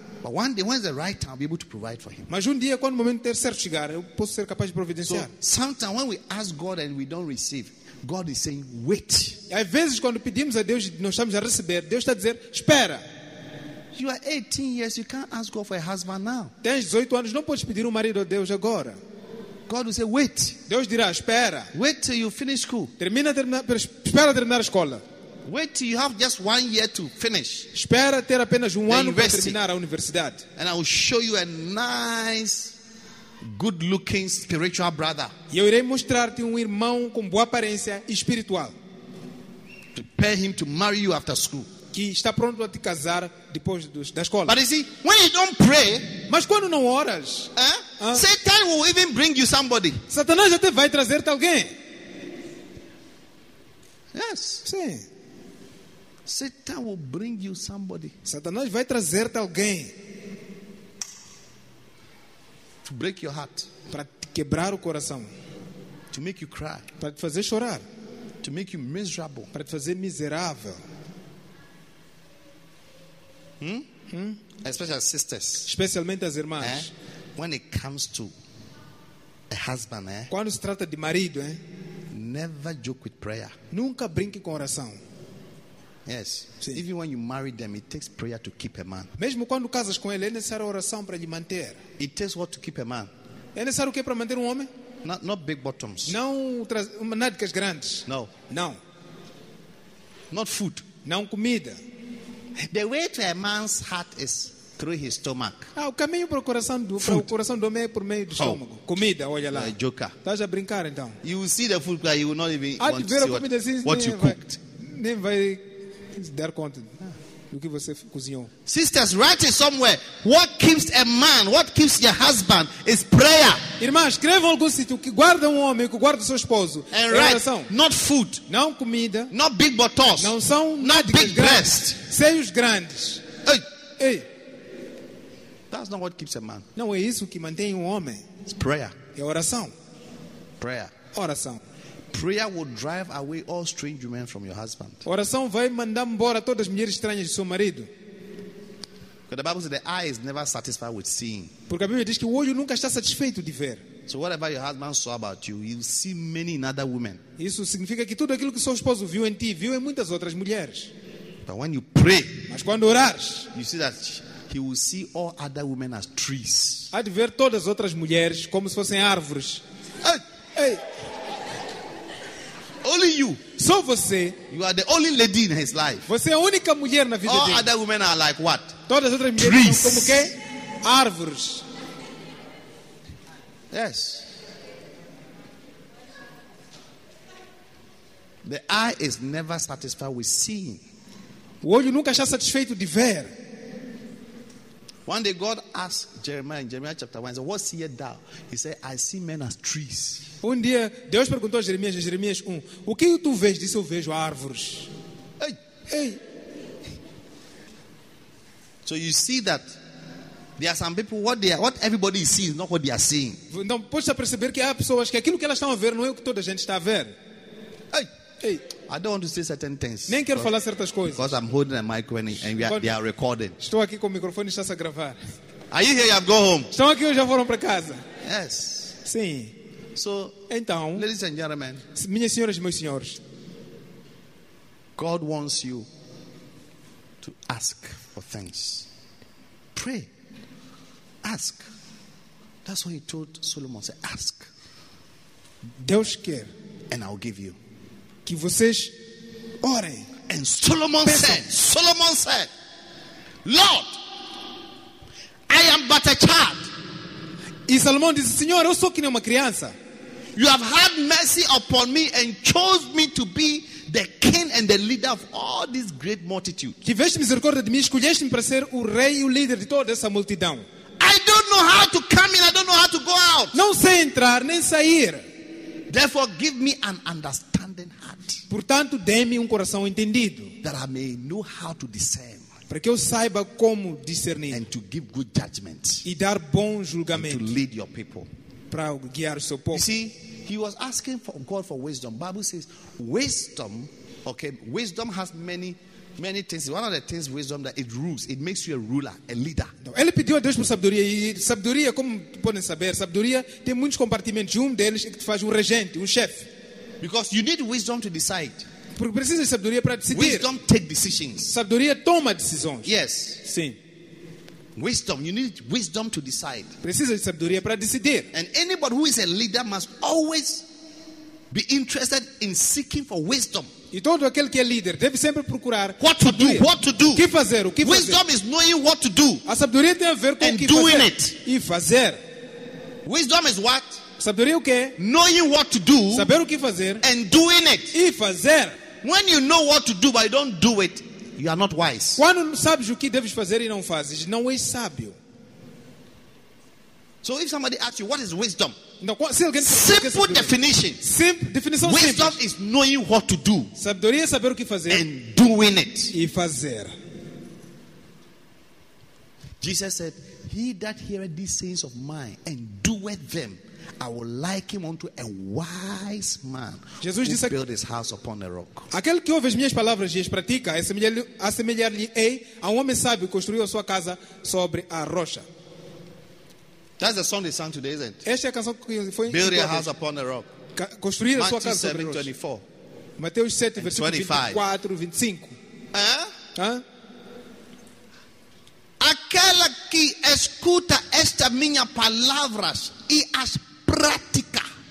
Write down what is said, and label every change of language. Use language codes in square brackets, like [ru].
[en] But one day, when's the right time, I'll be able to provide for him. [pt] Mas dia, quando o momento certo chegar, eu posso ser capaz de providenciar. [en] So, sometimes when we ask God and we don't receive, God is saying, wait. [pt] Às vezes, quando pedimos a Deus e não estamos a receber, Deus está a dizer, espera. [en] You are 18 years, you can't ask God for a husband now. [pt] Tens 18 anos, não podes pedir marido a Deus agora. [en] God will say, wait. [pt] Deus dirá, espera. [en] Wait till you finish school. [pt] Espera terminar a escola. [en] Wait till you have just 1 year to finish. [pt] Espera ter apenas ano para terminar a universidade. [en] And I will show you a nice, good-looking spiritual brother. [pt] E eu irei mostrar-te irmão com boa aparência espiritual. [en] Prepare him to marry you after school. [pt] Que está pronto a te casar depois da escola. [en] But you see, when you don't pray, [pt] mas quando não oras, [en] Satan will even bring you somebody. [pt] Satanás até vai trazer-te alguém. [en] Yes. [pt] Sim. [en] Satan will bring you somebody. [pt] Satanás vai trazer-te alguém. [en] To break your heart. [pt] Para te quebrar o coração. [en] To make you cry. [pt] Para te fazer chorar. [en] To make you miserable. [pt] Para te fazer miserável. [en] Especially as sisters. [pt] Especialmente as irmãs. [en] Eh? When it comes to a husband, eh? [pt] Quando se trata de marido, eh? [en] Never joke with prayer. [pt] Nunca brinque com oração. [en] Yes. [pt] Sim. [en] Even when you marry them, it takes prayer to keep a man. [pt] Mesmo quando casas com ele, é necessário oração para lhe manter. [en] It takes what to keep a man. [pt] É necessário o quê para manter homem? [en] Not big bottoms. [pt] Não traz nádegas grandes. [en] No. [pt] Não. [en] Not food. [pt] Não comida. [en] The way to a man's heart is through his stomach. [pt] Ah, o caminho para o coração do homem é por meio do estômago. Comida, olha lá. Estás a brincar então. [en] You will see the food, but you will not even want to see [pt] comida, [en] what you cooked. [pt] Nem vai dar conta do que você cozinhou. [en] Sisters, write it somewhere. What keeps a man, what keeps your husband is prayer. [pt] Irmãs, escrevam algum sítio que guarda homem, que guarda seu esposo. [en] And [pt] é [en] write, [pt] oração. [en] Not food. [pt] Não comida. [en] Not big buttocks. [pt] Não são [en] not big Breast. [pt] Seios grandes. Hey. Hey. [en] That's not what keeps a man. [pt] Não é isso que mantém homem. [en] It's prayer. [pt] É oração. [en] Prayer. [pt] Oração. [en] Prayer will drive away all strange women from your husband. [pt] Oração vai mandar embora todas as mulheres estranhas de seu marido. [en] Because the Bible says the eye is never satisfied with seeing. [pt] Porque a Bíblia diz que o olho nunca está satisfeito de ver. [en] So whatever your husband saw about you, you see many in other women. [pt] Isso significa que tudo aquilo que seu esposo viu em ti, viu em muitas outras mulheres. [en] But when you pray, [pt] mas quando orares, [en] you see that he will see all other women as trees. [pt] Há de ver todas as outras mulheres como se fossem árvores. Ei, ei. [en] Only you. [pt] Só você. [en] You are the only lady in his life. [pt] Você é a única mulher na vida [en] all [pt] dele. [en] All other women are like what? [pt] Todas as outras mulheres são como quê? Árvores. [en] Yes. The eye is never satisfied with seeing. [pt] O olho nunca está satisfeito de ver. [en] One day God asked Jeremiah in Jeremiah chapter 1, what seest thou? He said, I see men as trees. [pt] Um dia, Deus perguntou a Jeremias, em Jeremias 1, o que tu vês? Disse, eu vejo árvores. Hey, hey. [en] So you see that there are some people, what everybody sees, not what they are seeing. [pt] Então, pode-se perceber que há pessoas que aquilo que elas estão a ver não é o que toda a gente está a ver. [en] Hey, hey. I don't want to say certain things. [pt] Nem quero falar certas coisas. [en] Because I'm holding a mic and they are recording. [pt] Estou aqui com o microfone e está-se a gravar. [en] Are you here? I'm going home. [pt] Estão aqui ou já foram para casa? [en] Yes. [pt] Sim. [en] So, [pt] então, [en] ladies and gentlemen, [pt] minhas senhoras e meus senhores, [en] God wants you to ask for things. Pray. Ask. That's what he told Solomon. Say, ask. [pt] Deus quer. [en] And I'll give you. [pt] Que vocês orem. [en] And Solomon said, Lord, I am but a child. [pt] E Salomão disse, Senhor, eu sou que nem uma criança. [en] You have had mercy upon me and chose me to be the king and the leader of all this great multitude. [pt] Tiveste misericórdia de mim, escolheste-me para ser o rei e o líder de toda essa multidão. [en] I don't know how to come in, I don't know how to go out. [pt] Não sei entrar nem sair. [en] Therefore, give me an understanding heart. [pt] Portanto, dê-me coração entendido. [en] That I may know how to discern. [pt] Para que eu saiba como discernir. [en] And to give good judgment. [pt] E dar bom julgamento. [en] And to lead your people. [pt] Para guiar o seu povo. [en] You see, he was asking for God for wisdom. Bible says, wisdom, okay, wisdom has many things. One of the things wisdom that it rules, it makes you a ruler, a leader. [pt] Então, ele pediu a Deus por sabedoria e sabedoria, como podem saber, sabedoria tem muitos compartimentos. Um deles é que te faz regente, chefe. [en] Because you need wisdom to decide. [pt] Porque precisa de sabedoria para decidir. [en] Wisdom take decisions. [pt] Sabedoria toma decisões. [en] Yes. [pt] Sim. [en] Wisdom, you need wisdom to decide. [pt] Precisa de sabedoria para decidir. [en] And anybody who is a leader must always be interested in seeking for wisdom. [pt] E todo aquele que é líder deve sempre procurar [en] what to do, what to do. [pt] O que fazer, o que fazer. [en] Wisdom is knowing what to do. [pt] A sabedoria tem a ver com [en] and [pt] o que fazer. [en] Doing it. [pt] E fazer. [en] Wisdom is what? [pt] Sabedoria o quê? [en] Knowing what to do. [pt] Saber o que fazer. [en] And doing it. [pt] E fazer. [en] When you know what to do but you don't do it, you are not wise. [pt] Quando sabes o que deves fazer e não fazes, não és sábio. [en] So if somebody asks you, what is wisdom? [pt] Não, se alguém [en] simple definition. Simple [pt] definição. [en] Wisdom [pt] simples. [en] Is knowing what to do. [pt] Sabedoria é saber o que fazer. [en] And doing it. [pt] E fazer. [en] Jesus said, "He that heareth these sayings of mine and doeth them, I will liken him unto a wise man." [pt] Jesus [en] who [pt] disse, [en] built his house upon a rock. [pt] Aquele que ouve as minhas palavras e as pratica, assemelhar-lhe-ei a um homem sábio construiu a sua casa sobre a rocha. [en] That's the song they sang today, isn't it? [pt] Esta é a canção que foi [en] build your house upon a rock. [pt] Construir [en] Matthew [pt] a sua casa [en] 7, [pt] sobre a rocha. Mateus 7, versículo 24, 25. Aquela que escuta estas minhas palavras e as pratica.